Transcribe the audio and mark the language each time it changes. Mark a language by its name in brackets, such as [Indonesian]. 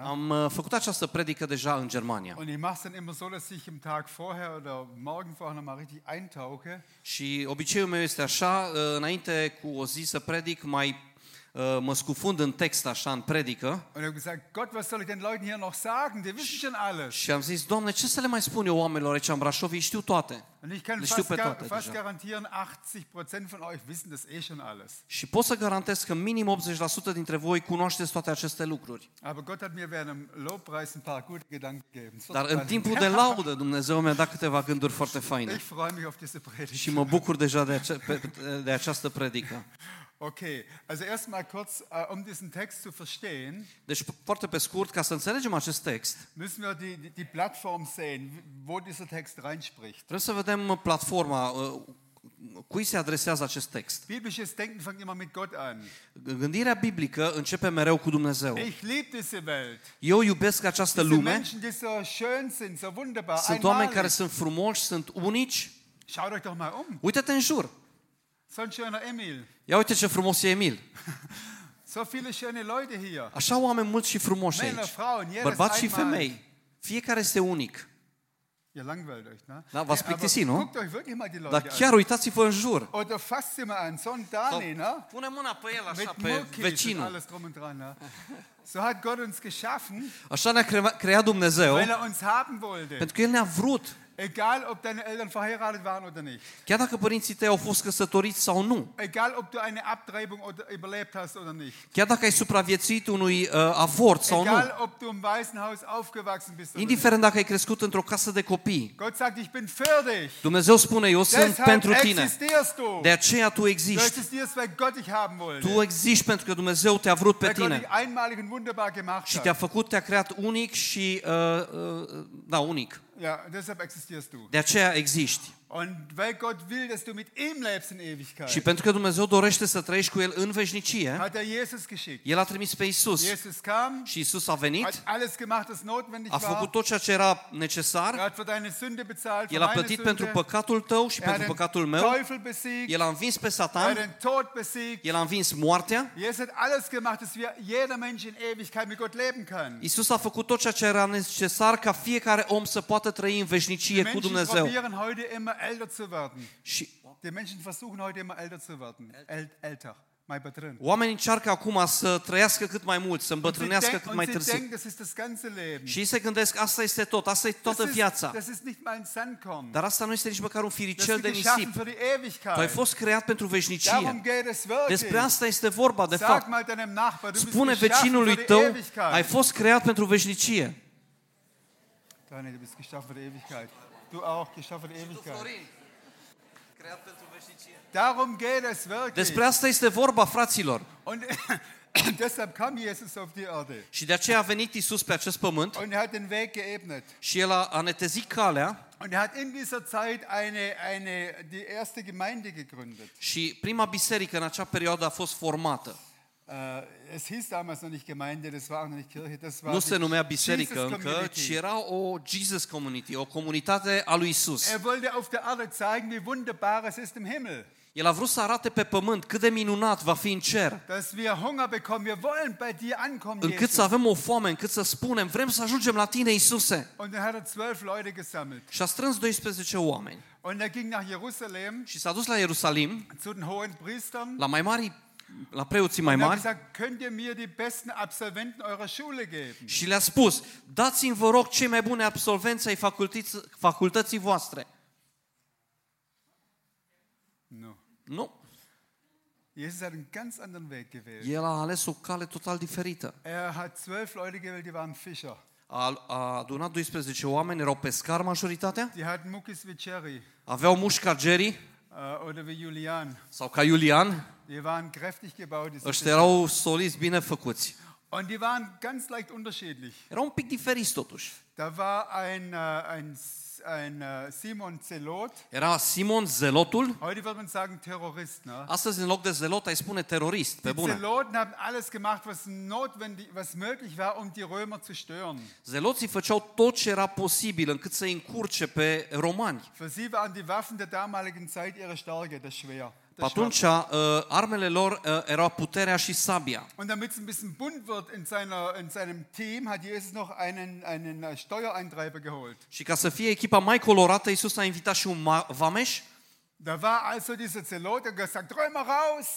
[Romanian] Am făcut această predică deja în Germania. [German] Und ich mache es dann immer so, dass ich am Tag vorher oder morgen vorher noch mal richtig eintauche. [Romanian] Și obiceiul meu este așa, înainte cu o zi să predic, mai mă scufund în text așa în predică. [German] Und ich habe gesagt: Gott, was soll ich den Leuten hier noch sagen? Die wissen schon alles. [Romanian] Și am zis: Doamne, ce să le mai spun eu oamenilor aici în Brașov? Ei știu toate. [German] Und ich kann fast garantieren, 80% von euch wissen das eh schon alles. [Romanian] Și pot să garantez că minim 80% dintre voi cunoașteți toate aceste lucruri. [German] Aber Gott hat mir während dem Lobpreis ein paar gute Gedanken gegeben. [Romanian] Dar în timpul de laudă Dumnezeu mi-a dat câteva gânduri foarte faine. [German] Ich freue mich auf diese Predigt. [Romanian] Și mă bucur deja de această predică. [German] Okay, also erstmal kurz, um diesen Text zu verstehen. [Romanian] Deci, foarte pe scurt, ca să înțelegem acest text. [German] Müssen wir die Plattform sehen, wo dieser Text reinspricht. [Romanian] Trebuie să vedem platforma cui se adresează acest text. [German] Biblisches Denken fängt immer mit Gott an. [Romanian] Gândirea biblică începe mereu cu Dumnezeu. [German] Ich liebe diese Welt. [Romanian] Eu iubesc această lume. [German] Diese Menschen, die so schön sind, so wunderbar. [Romanian] Sunt oameni care sunt frumoși, sunt unici. [German] Schaut euch doch mal um. [Romanian] Uită-te în jur. [German] So ein schöner Emil. [Romanian] Ja, uite ce frumos e Emil. [German] So viele schöne Leute hier. [Romanian] Așa oameni mulți și frumoși aici. [German] Männer, Frauen, jedes [Romanian] bărbați și femei. Fiecare este unic. [German] Ihr langweilt euch, ne? Na, was picti si, nu? Guckt euch wirklich mal die Leute an. [Romanian] Chiar uitați-vă în jur. [German] Oder fasst sie mal an, so ein Dani, ne? [Romanian] Pune mâna pe el, așa, pe vecinul. [German] Alles drum und dran, ne? So hat Gott uns geschaffen. [Romanian] Așa ne-a creat Dumnezeu. [German] Weil er uns haben wollte. [Romanian] Pentru că el ne-a vrut. [German] Egal ob deine Eltern verheiratet waren oder nicht. [Romanian] Chiar dacă părinții tăi au fost căsătoriți sau nu. [German] Egal ob du eine Abtreibung überlebt hast oder nicht. [Romanian] Chiar dacă ai supraviețuit unui avort sau [German] egal, [Romanian] nu. [German] Egal ob du im Waisenhaus aufgewachsen bist. [Romanian] Indiferent dacă ai crescut într-o casă de copii. [German] Gott sagt, ich bin für dich. [Romanian] Dumnezeu spune: eu sunt pentru tine. [German] Du. [Romanian] De aceea tu existi. [German] Du existierst, weil Gott dich haben wollte. [Romanian] Tu existi pentru că Dumnezeu te-a vrut pe tine. [German] Weil Gott dich einmalig und wunderbar gemacht hat. [Romanian] Și te-a făcut, te-a creat unic și unic. [German] Ja, deshalb existierst du. [Romanian] De aceea existi. [German] Und weil Gott will, dass du mit ihm lebst in Ewigkeit. [Romanian] Și pentru că Dumnezeu dorește să trăiești cu el în veșnicie. [German] Hat er Jesus geschickt. [Romanian] El a trimis pe Iisus. [German] Jesus kam. [Romanian] Și Iisus a venit. [German] Hat alles gemacht, was notwendig war. [Romanian] A făcut tot ceea ce era necesar. [German] Er hat für deine Sünde bezahlt, [Romanian] El a plătit [German] Sünde. [Romanian] Pentru păcatul tău și pentru păcatul meu. [German] Teufel besiegt. [Romanian] El a învins pe Satan. [German] Er hat den Tod besiegt. [Romanian] El a învins moartea. [German] Jesus hat alles gemacht, dass wir jeder Mensch in Ewigkeit mit Gott leben kann. [Romanian] Iisus a făcut tot ceea ce era necesar ca fiecare om să poată trăi în veșnicie cu Dumnezeu. [German] Älter zu werden. Die Menschen versuchen heute immer älter zu werden. [Romanian] Älter, mai bătrân. Oamenii încearcă acum să trăiască cât mai mult, să îmbătrânească cât mai târziu. [German] Und sie denken, das ist das ganze Leben. [Romanian] Și se gândesc, asta este tot, asta e toată viața. [German] Das ist nicht mal ein Sandkorn. [Romanian] Dar asta nu este nici măcar un firicel de nisip. [German] Das ist geschaffen für die Ewigkeit. [Romanian] Tu ai fost creat pentru veșnicie. [German] Darum geht es wirklich. [Romanian] Despre asta este vorba, de fapt. [German] Sag mal deinem Nachbar, du bist [Romanian] spune vecinului tău, ai fost creat pentru veșnicie. [German] Daniel, du bist geschaffen für die Ewigkeit. Du auch geschaffen Ewigkeit. [Romanian] Creat pentru veșnicie. [German] Darum geht es wirklich. [Romanian] Despre asta este vorba, fraților. [German] Und deshalb kam Jesus auf die Erde. [Romanian] Și de aceea a venit Iisus pe acest pământ. [German] Und hat den Weg geebnet. [Romanian] Și el a netezit calea. [German] Und hat in dieser Zeit eine die erste Gemeinde gegründet. [Romanian] Și prima biserică în acea perioadă a fost formată. [German] Es hieß damals noch nicht Gemeinde, das war auch noch nicht Kirche, das war [Romanian] nu se numea biserică încă, ci era o Jesus Community, o comunitate a lui Isus. [German] Er wollte auf der Erde zeigen, wie wunderbar es ist im Himmel. [Romanian] El a vrut să arate pe pământ cât de minunat va fi în cer. [German] Dass wir Hunger bekommen, wir wollen bei dir ankommen. [Romanian] Încât să avem o foame, încât să spunem, vrem să ajungem la tine, Iisuse. [German] Und er hat 12 Leute gesammelt. [Romanian] Și a strâns 12 oameni. [German] Und er ging nach Jerusalem. [Romanian] Și s-a dus la Ierusalim. [German] Zu den hohen Priestern. [Romanian] La mai mari la preoții mai mari. [German] Gesagt, könnt ihr mir die besten Absolventen eurer Schule geben? [Romanian] Și le-a spus: dați-mi vă rog cei mai buni absolvenți ai facultății voastre. Nu. Nu. [German] Jesus hat einen ganz anderen Weg gewählt. [Romanian] El a ales o cale total diferită. [German] Er hat 12 Leute gewählt, die waren Fischer. [Romanian] A adunat 12 oameni, erau pescari majoritatea. [German] Die hatten Muckis wie Jerry. [Romanian] Aveau mușchi ca Jerry. [German] Oder wie Julian. [Romanian] Sau ca Julian. [German] Die waren kräftig gebaut. [Romanian] Ăștia erau solizi, bine făcuți. [German] Und die waren ganz leicht unterschiedlich. [Romanian] Erau un pic diferiți totuși. [German] Da war ein Simon Zelot. [Romanian] Era Simon Zelotul. [German] Heute würde man sagen Terrorist, ne? [Romanian] Astăzi în loc de Zelot ai spune terorist, pe bune. [German] Zeloten haben alles gemacht, was notwendig, was möglich war, um die Römer zu stören. [Romanian] Zeloții făceau tot ce era posibil încât să încurce pe romani. [German] Für sie waren die Waffen der damaligen Zeit ihre Stärke, das Schwert. [Romanian] Atunci armele lor erau puterea și sabia. [German] Und damit es ein bisschen bunt wird in seinem Team, hat Jesus noch einen Steuereintreiber geholt. [Romanian] Și ca să fie echipa mai colorată, Iisus a invitat și un vameș. [German] Da war also dieser Zelot, der gesagt, Römer raus.